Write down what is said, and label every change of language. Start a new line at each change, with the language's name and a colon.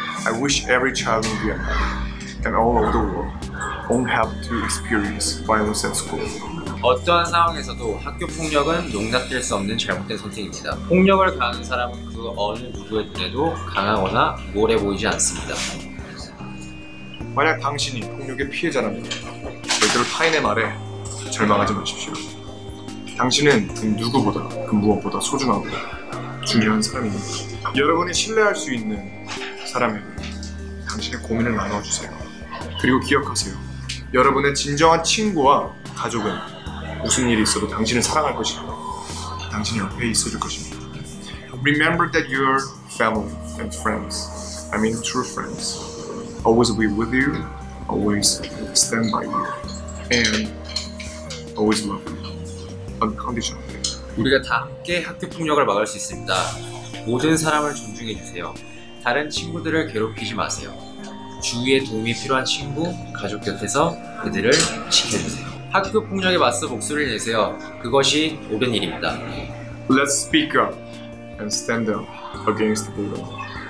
English: I wish every child in Vietnam and all over the world won't have to experience violence at school.
Korean: 어떠한 상황에서도 학교 폭력은 용납될 수 없는 잘못된 선택입니다. 폭력을 가하는 사람은 그 어느 누구의 눈에도 강하거나 우월해 보이지 않습니다. 만약 당신이 폭력의 피해자라면 절대로 타인의 말에 절망하지 마십시오. 당신은 그 누구보다 그 무엇보다 소중하고 중요한 사람입니다. 여러분이 신뢰할 수 있는 사람에게 당신의 고민을 나눠주세요. 그리고 기억하세요. 여러분의 진정한 친구와 가족은 무슨 일이 있어도 당신을 사랑할 것이고 당신 옆에 있어줄 것입니다.
English: Remember that your family and friends, I mean true friends, always be with you, always stand by you, and always love you unconditionally.
Korean: 우리가 다 함께 학교 폭력을 막을 수 있습니다. 모든 사람을 존중해 주세요. 다른 친구들을 괴롭히지 마세요. 주위에 도움이 필요한 친구, 가족 곁에서 그들을 지켜주세요. 학교 폭력에 맞서 목소리를 내세요. 그것이 옳은 일입니다.
English: Let's speak up and stand up against the bully.